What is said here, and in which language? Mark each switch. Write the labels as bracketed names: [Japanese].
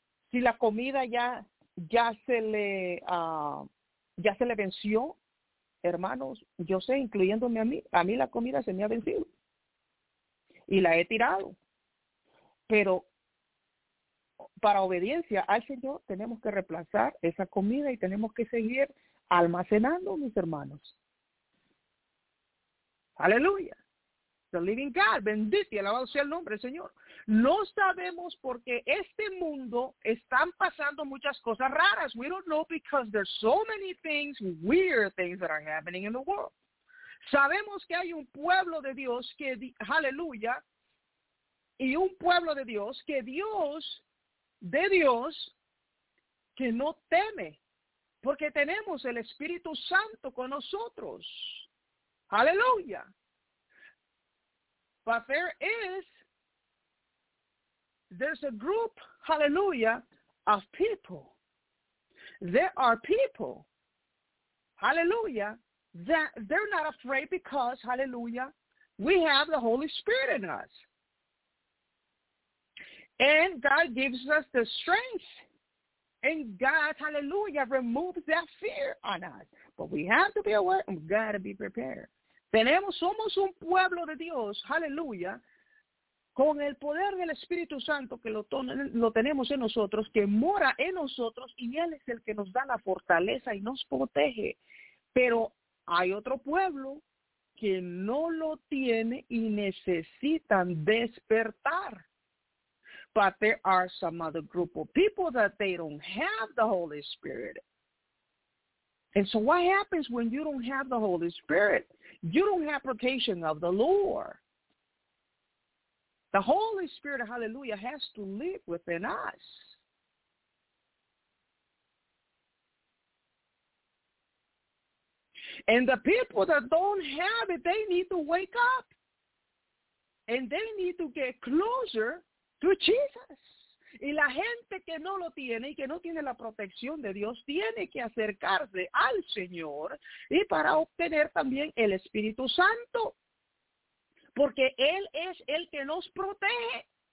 [Spanish] Si la comida ya se le venció, hermanos, yo sé, incluyéndome a mí la comida se me ha vencido y la he tirado, pero para obediencia al Señor tenemos que reemplazar esa comida y tenemos que seguir almacenando, mis hermanos. Aleluya. [English] The living God, [Spanish] bendito y alabado sea el nombre del Señor. No sabemos porque este mundo están pasando muchas cosas raras. [English] We don't know because there's so many things, weird things that are happening in the world. [Spanish] Sabemos que hay un pueblo de Dios que, hallelujah, y un pueblo de Dios que Dios, de Dios, que no teme Porque tenemos el Espíritu Santo con nosotros. Hallelujah. [English] But there's a group, hallelujah, of people. There are people, hallelujah, that they're not afraid because, hallelujah, we have the Holy Spirit in us. And God gives us the strength. And God, hallelujah, removes that fear on us. But we have to be aware and we've got to be prepared. [Spanish] Somos un pueblo de Dios, hallelujah, con el poder del Espíritu Santo que lo tenemos en nosotros, que mora en nosotros, y Él es el que nos da la fortaleza y nos protege. Pero hay otro pueblo que no lo tiene y necesitan despertar. [English] But there are some other group of people that they don't have the Holy Spirit. And so what happens when you don't have the Holy Spirit? You don't have protection of the Lord. The Holy Spirit, hallelujah, has to live within us. And the people that don't have it, they need to wake up. And they need to get closer to Jesus. [Spanish] Y la gente que no lo tiene y que no tiene la protección de Dios tiene que acercarse al Señor y para obtener también el Espíritu Santo. Porque Él es el que nos protege.